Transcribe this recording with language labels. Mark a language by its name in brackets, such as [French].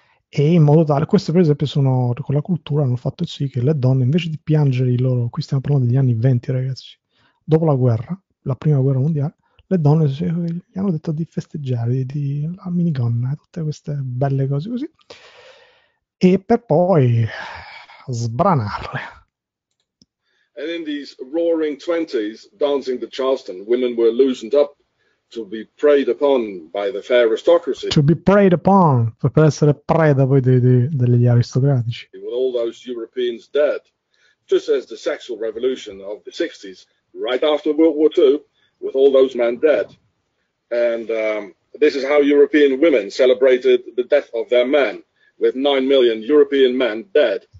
[Italian] E in modo tale, queste per esempio sono con la cultura hanno fatto sì che le donne invece di piangere i loro, qui stiamo parlando degli anni 20, ragazzi, dopo la guerra, la prima guerra mondiale, le donne gli hanno detto di festeggiare, di la minigonna, tutte queste belle cose così, e per poi sbranarle. [English] And in these roaring 20s, dancing the Charleston, women were loosened up to be preyed upon by the fair aristocracy. To be preyed upon, [Italian] per essere preda poi degli aristocratici. [English] With all those Europeans dead, just as the sexual revolution of the 60s, right after World War II, with all those men dead. And this is how European women celebrated the death of their men, with 9 million European men dead.